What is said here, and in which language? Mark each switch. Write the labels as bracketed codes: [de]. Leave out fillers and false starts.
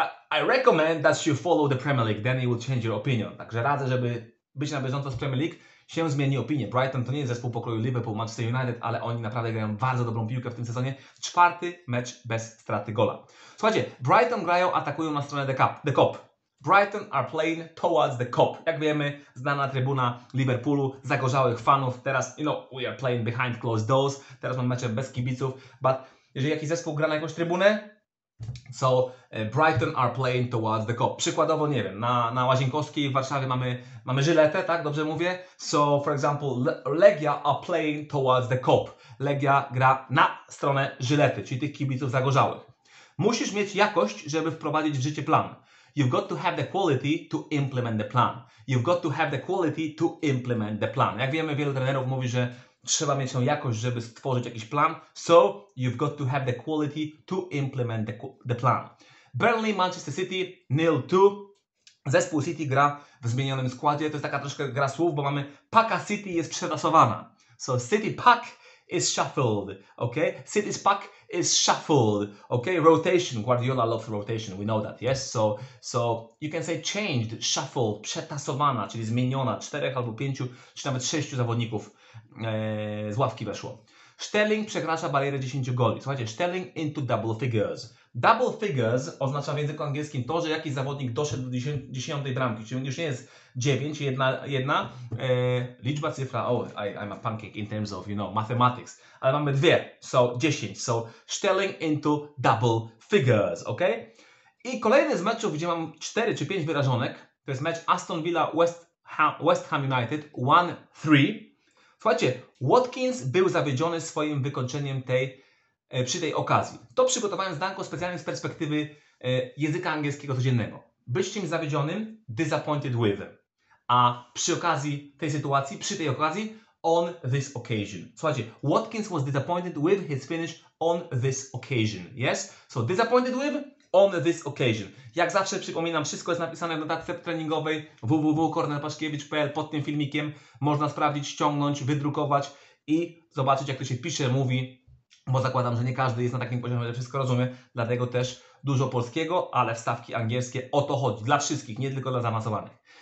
[en] I recommend that you follow the Premier League, then it will change your opinion. [pl] Także radzę, żeby być na bieżąco z Premier League. Się zmieni opinię. Brighton to nie jest zespół pokroju Liverpool, Manchester United, ale oni naprawdę grają bardzo dobrą piłkę w tym sezonie. Czwarty mecz bez straty gola. Słuchajcie, Brighton grają, atakują na stronę The Kop. [en] Brighton are playing towards The Kop. [pl] Jak wiemy, znana trybuna Liverpoolu, zagorzałych fanów. [en] Teraz, you know, we are playing behind closed doors. [pl] Teraz mam mecze bez kibiców, but jeżeli jakiś zespół gra na jakąś trybunę, [en] so Brighton are playing towards the cop. [pl] Przykładowo, nie wiem, na Łazienkowskiej w Warszawie mamy żyletę, tak? Dobrze mówię? [en] So, for example, Legia are playing towards the cop. [pl] Legia gra na stronę żylety, czyli tych kibiców zagorzałych. Musisz mieć jakość, żeby wprowadzić w życie plan. [en] You've got to have the quality to implement the plan. You've got to have the quality to implement the plan. [pl] Jak wiemy, wielu trenerów mówi, że trzeba mieć tą jakość, żeby stworzyć jakiś plan. [en] So, you've got to have the quality to implement the plan. Burnley, Manchester City, 0-2. [pl] Zespół City gra w zmienionym składzie. To jest taka troszkę gra słów, bo mamy Paka City jest przetasowana. [en] So, City Pack is shuffled. Okay? City's Pack is shuffled. Okay? Rotation. Guardiola loves rotation. We know that. Yes? So, you can say changed, shuffled, [pl] przetasowana, czyli zmieniona. Czterech albo pięciu, czy nawet sześciu zawodników z ławki weszło. Sterling przekracza barierę 10 goli. Słuchajcie, [en] Sterling into double figures. [pl] Double figures oznacza w języku angielskim to, że jakiś zawodnik doszedł do 10 bramki. Czyli już nie jest 9, jedna. Liczba, cyfra. [en] Oh, I'm a pancake in terms of, you know, mathematics. [pl] Ale mamy dwie. [en] So, 10. So, Sterling into double figures. Ok? [pl] I kolejny z meczów, gdzie mam 4 czy 5 wyrażonek. To jest mecz Aston Villa West Ham United 1-3. Słuchajcie, Watkins był zawiedziony swoim wykończeniem przy tej okazji. To przygotowałem zdanko specjalnie z perspektywy języka angielskiego codziennego. Być czymś zawiedzionym, disappointed with. A przy okazji tej sytuacji, przy tej okazji, on this occasion. [en] Słuchajcie, Watkins was disappointed with his finish on this occasion. Yes? So disappointed with, on this occasion. [pl] Jak zawsze przypominam, wszystko jest napisane w notatce treningowej www.kornelpaszkiewicz.pl pod tym filmikiem. Można sprawdzić, ściągnąć, wydrukować i zobaczyć, jak to się pisze, mówi, bo zakładam, że nie każdy jest na takim poziomie, że wszystko rozumie, dlatego też dużo polskiego, ale wstawki angielskie, o to chodzi, dla wszystkich, nie tylko dla zaawansowanych.